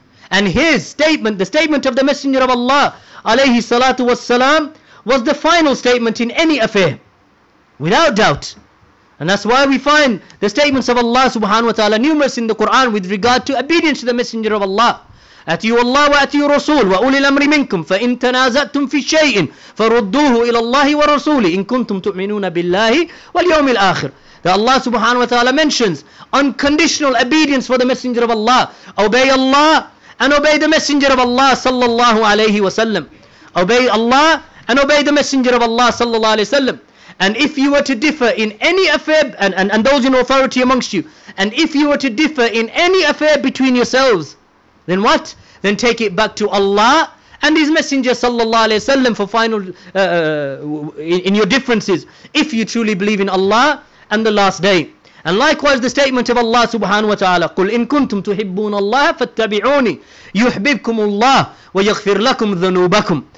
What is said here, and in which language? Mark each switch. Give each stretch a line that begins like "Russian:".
English: And his statement, the statement of the Messenger of Allah alayhi salatu wassalam, was the final statement in any affair, without doubt. And that's why we find the statements of Allah subhanahu wa ta'ala numerous in the Quran with regard to obedience to the Messenger of Allah.
Arabic: أتيوا الله وأتيوا الرسول وأولي الأمر منكم فإن تنازعتم في شيء فردوه إلى الله ورسوله إن كنتم تؤمنون بالله واليوم الآخر.
English: That Allah subhanahu wa ta'ala mentions unconditional obedience for the Messenger of Allah. Obey Allah and obey the Messenger of Allah sallallahu alayhi wa sallam. Obey Allah and obey the Messenger of Allah sallallahu alayhi wa sallam. And if you were to differ in any affair, and those in authority amongst you, and if you were to differ in any affair between yourselves, then what? Then take it back to Allah and His Messenger sallallahu alayhi wa sallam for final, in your differences, if you truly believe in Allah and the last day. And likewise, the statement of Allah subhanahu wa ta'ala,
Arabic: قُلْ إِن كُنْتُمْ تُحِبُّونَ اللَّهَ فَاتَّبِعُونِي يُحْبِبْكُمُ اللَّهُ وَيَغْفِرْ لَكُمْ ذُنُوبَكُمْ.